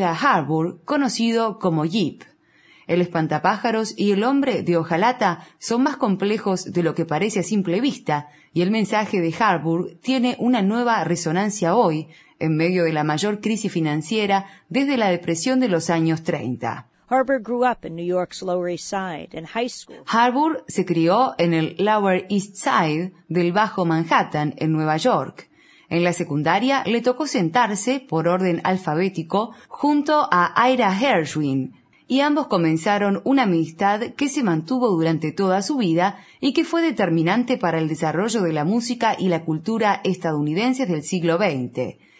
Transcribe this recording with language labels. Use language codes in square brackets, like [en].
[es] Harbour, conocido como Yip. El espantapájaros y el hombre de hojalata son más complejos de lo que parece a simple vista, y el mensaje de Harbour tiene una nueva resonancia hoy, en medio de la mayor crisis financiera desde la depresión de los años 30. [en] Harbour grew up in New York's Lower East Side in high school. [es] Harbour se crió en el Lower East Side del Bajo Manhattan en Nueva York. En la secundaria le tocó sentarse, por orden alfabético, junto a Ira Gershwin, y ambos comenzaron una amistad que se mantuvo durante toda su vida y que fue determinante para el desarrollo de la música y la cultura estadounidenses del siglo XX.